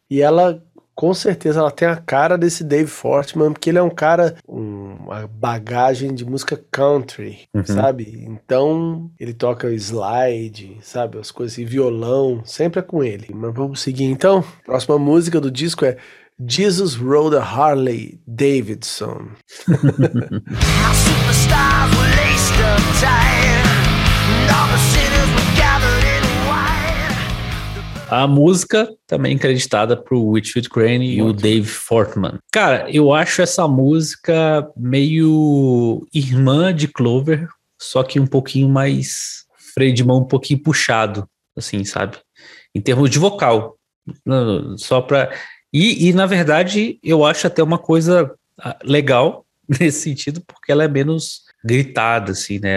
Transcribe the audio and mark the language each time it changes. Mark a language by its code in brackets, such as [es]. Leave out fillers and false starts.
[pt] E ela, com certeza, ela tem a cara desse Dave Fortman, porque ele é um cara, uma bagagem de música country, sabe? Então, ele toca slide, sabe? As coisas, e violão, sempre é com ele. Mas vamos seguir, então. Próxima música do disco é Jesus Rode a Harley Davidson. [en] How superstars were laced up tight. All the sinners were gathered in white. [pt] A música também creditada pro Whitfield Crane e o Dave Fortman. Cara, eu acho essa música meio irmã de Clover, só que um pouquinho mais freio de mão, um pouquinho puxado, assim, sabe? Em termos de vocal. Só pra... E, na verdade, eu acho até uma coisa legal nesse sentido, porque ela é menos gritada, assim, né?